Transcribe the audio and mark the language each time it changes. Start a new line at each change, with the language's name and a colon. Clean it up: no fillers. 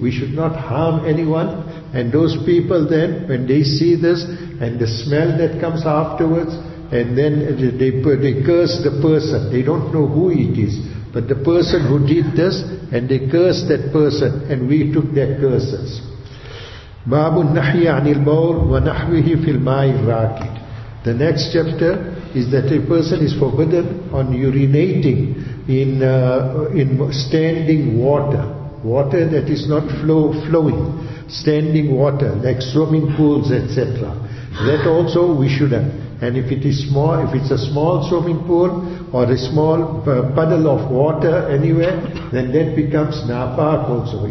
English: We should not harm anyone. And those people then, when they see this and the smell that comes afterwards, and then they curse the person. They don't know who it is, but the person who did this, and they curse that person, and we took their curses.
Arabic: باب النحي عن البول ونحوه في الماء الراكد.
English: The next chapter is that a person is forbidden on urinating in standing water, water that is not flowing, standing water like swimming pools, etc. That also we shouldn't. And if it is small, if it's a small swimming pool or a small puddle of water anywhere, then that becomes napak also.